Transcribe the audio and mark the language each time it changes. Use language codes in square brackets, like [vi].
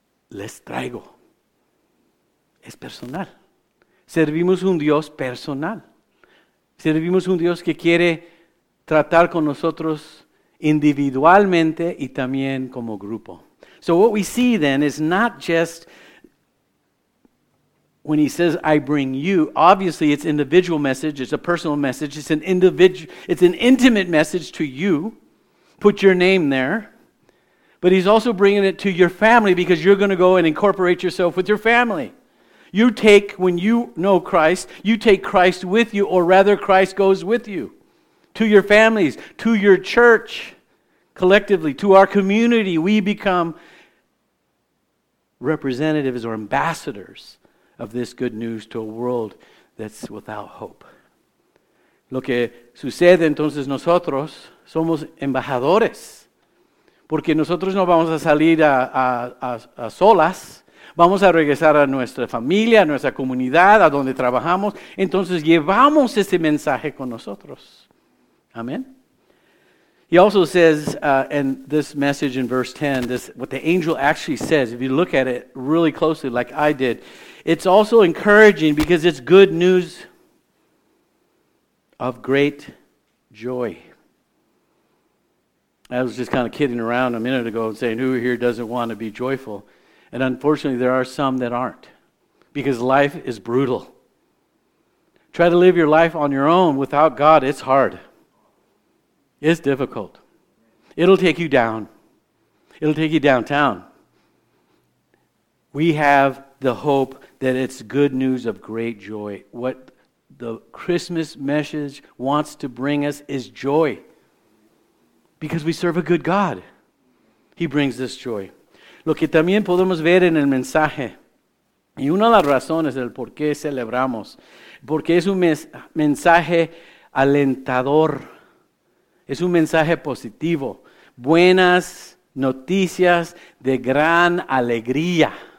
[es] Les traigo. Es personal. Servimos un Dios personal. Servimos un Dios que quiere tratar con nosotros individualmente y también como grupo. [en] So what we see then is not just when he says, I bring you. Obviously, it's individual message. It's a personal message. It's an individual. It's an intimate message to you. Put your name there. But he's also bringing it to your family because you're going to go and incorporate yourself with your family. You take, when you know Christ, you take Christ with you, or rather Christ goes with you to your families, to your church. Collectively, to our community, we become representatives or ambassadors of this good news to a world that's without hope. [es] Lo que sucede entonces, nosotros somos embajadores. Porque nosotros no vamos a salir a solas. Vamos a regresar a nuestra familia, a nuestra comunidad, a donde trabajamos. Entonces llevamos ese mensaje con nosotros. Amén. [en] He also says, and this message in verse 10, this what the angel actually says, if you look at it really closely like I did, it's also encouraging because it's good news of great joy. I was just kind of kidding around a minute ago and saying, who here doesn't want to be joyful? And unfortunately, there are some that aren't because life is brutal. Try to live your life on your own without God. It's hard. It's difficult. It'll take you down. It'll take you downtown. We have the hope that it's good news of great joy. What the Christmas message wants to bring us is joy. Because we serve a good God. He brings this joy. [es] Lo que también podemos ver en el mensaje, y una de las razones del por qué celebramos, porque es un mensaje alentador, es un mensaje positivo, buenas noticias de gran alegría.